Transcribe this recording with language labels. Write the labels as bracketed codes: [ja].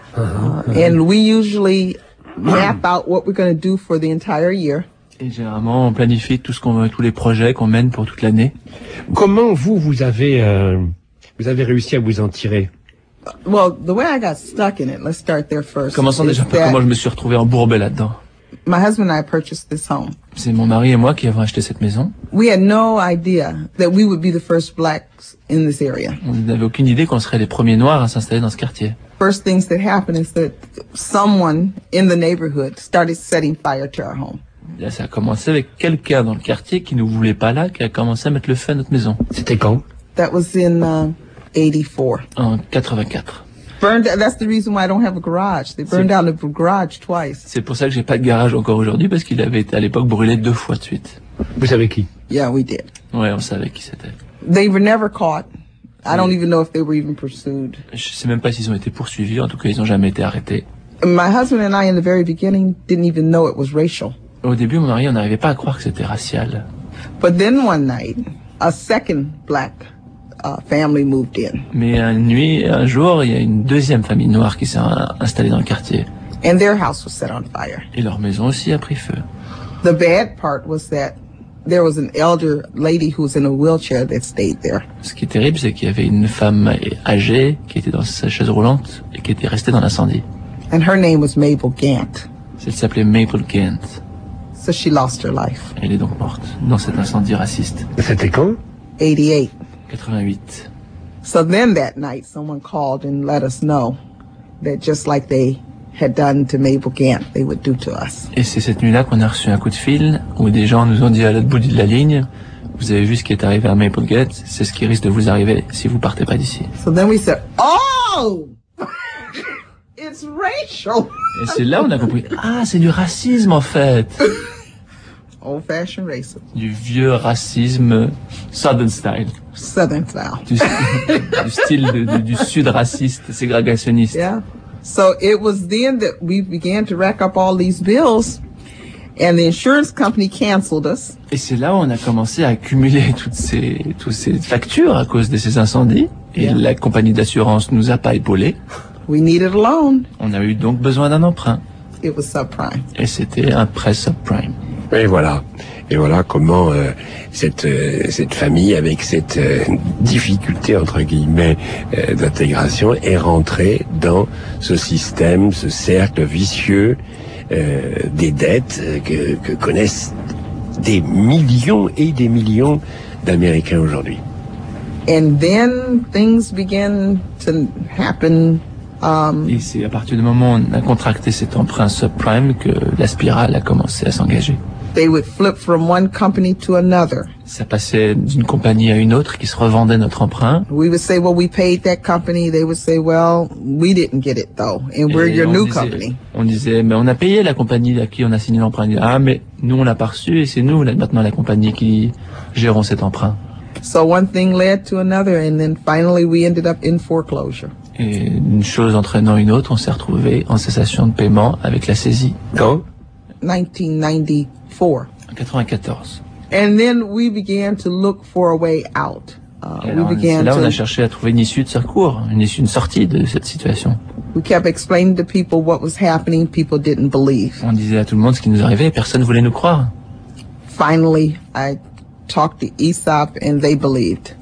[en] And we usually map out what we're going to do for the entire year. [fr] Et généralement, on planifie tous les projets qu'on mène pour toute l'année. Comment vous avez réussi à vous en tirer? [en] Well, the way I got stuck in it, let's start there first. [fr] Commençons déjà par comment je me suis retrouvé embourbé là-dedans. [en] My husband and I purchased this home. [fr] C'est mon mari et moi qui avons acheté cette maison. [en] We had no idea that we would be the first blacks in this area. [fr] On n'avait aucune idée qu'on serait les premiers noirs à s'installer dans ce quartier. [en] First things that happened is that someone in the neighborhood started setting fire to our home. [fr] Là, ça a commencé avec quelqu'un dans le quartier qui ne voulait pas là, qui a commencé à mettre le feu à notre maison. C'était quand? [en] That was in 84. [fr] En 84. [en] Burned, that's the reason why I don't have a garage. They burned down the garage twice. [fr] C'est pour ça que j'ai pas de garage encore aujourd'hui parce qu'il avait été à l'époque brûlé deux fois de suite. Vous savez qui? [en] Yeah, we did. [fr] Ouais, on savait qui c'était. [en] They were never caught. I don't even know if they were even pursued. [fr] Je sais même pas s'ils ont été poursuivis. En tout cas, ils ont jamais été arrêtés. [en] My husband and I, in the very beginning, didn't even know it was racial. [fr] Au début, mon mari, on n'arrivait pas à croire que c'était racial. [en] But then one night, a second black family moved in. [fr] Mais un jour, il y a une deuxième famille noire qui s'est installée dans le quartier. [en] And their house was set on fire. [fr] Et leur maison aussi a pris feu. [en] The bad part was that there was an elder lady who was in a wheelchair that stayed there. [fr] Ce qui est terrible, c'est qu'il y avait une femme âgée qui était dans sa chaise roulante et qui était restée dans l'incendie. [en] And her name was Mabel Gant. [fr] Elle s'appelait Mabel Gant. [en] So she lost her life. [fr] Elle est donc morte dans cet incendie raciste. C'était quand? [en] 88. [fr] 88. [en] So then that night someone called and let us know that just like they had done to Mabel Gantt, they would do to us. [fr] Et c'est cette nuit-là qu'on a reçu un coup de fil où des gens nous ont dit à l'autre bout de la ligne, vous avez vu ce qui est arrivé à Mabel Gantt, c'est ce qui risque de vous arriver si vous partez pas d'ici. [en] So then we said, oh! It's racial! [fr] Et c'est là où on a compris, ah, c'est du racisme en fait! [en] Old-fashioned racism. [fr] Du vieux racisme Southern style. [en] Southern style. [fr] Du style du sud raciste, ségrégationniste. [en] Yeah. So it was then that we began to rack up all these bills and the insurance company canceled us. [fr] Et c'est là où on a commencé à accumuler toutes ces factures à cause de ces incendies et yeah. La compagnie d'assurance nous a pas épaulé. [en] We needed a loan. [fr] On a eu donc besoin d'un emprunt. [en] It was subprime. [fr] Et c'était un prêt subprime. Et voilà. Et voilà comment cette famille, avec cette difficulté, entre guillemets, d'intégration, est rentrée dans ce système, ce cercle vicieux des dettes que connaissent des millions et des millions d'Américains aujourd'hui. [en] And then things begin to happen. [fr] Et c'est à partir du moment où on a contracté cet emprunt subprime que la spirale a commencé à s'engager. [en] They would flip from one company to another. [fr] Ça passait d'une compagnie à une autre qui se revendait notre emprunt. [en] We would say, well, we paid that company. They would say, well, we didn't get it though, and [fr] et [en] we're your new company. [fr] On disait, mais on a payé la compagnie à qui on a signé l'emprunt. Disait, ah, mais nous on l'a pas reçu et c'est nous là maintenant la compagnie qui gérons cet emprunt. [en] So one thing led to another, and then finally we ended up in foreclosure. [fr] Et une chose entraînant une autre, on s'est retrouvé en cessation de paiement avec la saisie. Quand? [en] 1994. And then we began to look for a way out. [fr] On a cherché à trouver une issue de secours, une issue de sortie de cette situation. [en] We kept explaining to people what was happening. People didn't believe. [fr] On disait à tout le monde ce qui nous arrivait. Personne voulait nous croire. [en] Finally, I talked to ESOP and they believed.